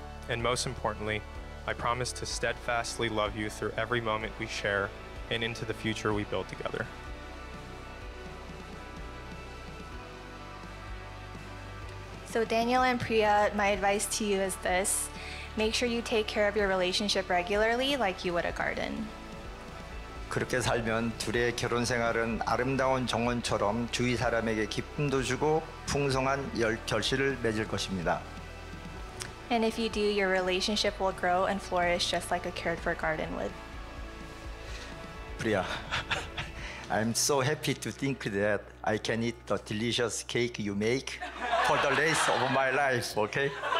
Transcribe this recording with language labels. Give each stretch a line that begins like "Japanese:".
English: And most importantly, I promise to steadfastly love you through every moment we share and into the future we build together. So Daniel and Priya, my advice to you is this: make sure you take care of your relationship regularly like you would a garden.
Korean: 그렇게 살면 둘의 결혼 생활은 아름다운 정원처럼 주위 사람에게 기쁨도 주고 풍성한 결실을 맺을 것입니다.
English: And if you do, your relationship will grow and flourish just like a cared for garden would. Priya, I'm so happy to think that I can eat the delicious cake you make for the rest of my life, okay?